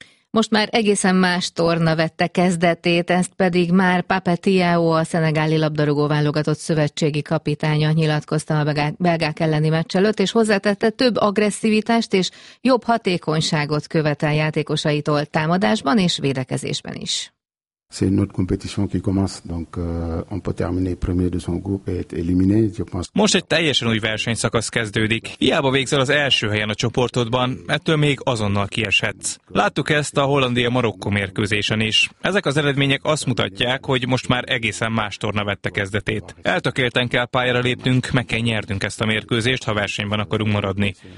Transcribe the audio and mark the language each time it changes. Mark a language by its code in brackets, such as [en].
[hu] Most már egészen más torna vette kezdetét, ezt pedig már Pape Thiaw, a szenegáli labdarúgó válogatott szövetségi kapitánya nyilatkozta a belgák elleni meccs előtt, és hozzátette, több agresszivitást és jobb hatékonyságot követel játékosaitól támadásban és védekezésben is. [fr] C'est une autre compétition qui commence, donc on peut terminer premier de son groupe et être éliminé, je pense. [hu] Most egy teljesen új versenyszakasz kezdődik. Hiába végzel az első helyen a csoportodban, ettől még azonnal kieshetsz. Láttuk ezt a Hollandia-Marokkó mérkőzésen is. Ezek az eredmények azt mutatják, hogy most már egészen más torna vette kezdetét. Eltökélten kell pályára lépnünk, meg kell nyernünk ezt a mérkőzést, ha versenyben akarunk maradni.